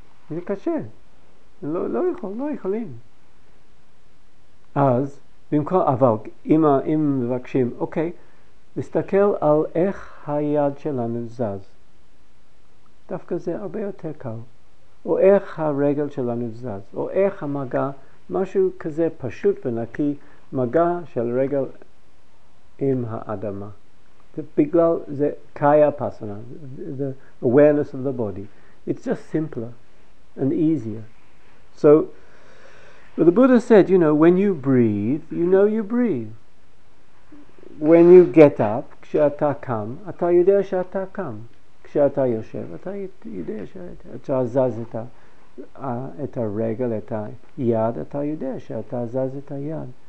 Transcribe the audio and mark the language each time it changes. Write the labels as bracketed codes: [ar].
[he] זה קשה. לא, לא יכול, לא יכולים. אז, במקום, אבל, אם מבקשים, אוקיי, מסתכל על איך היד שלנו זז. דווקא זה הרבה יותר קל. או איך הרגל שלנו זז, או איך המגע, משהו כזה פשוט ונקי, מגע של רגל עם האדמה. זה בגלל, זה [en] kaya pasana, the awareness of the body. It's just simpler and easier. So, but the Buddha said, you know, when you breathe, you know you breathe. When you get up, [he] כשאתה קם, אתה יודע שאתה קם. כשאתה יושב, אתה יודע שאתה זז את הרגל, את היד, אתה יודע שאתה זז את היד.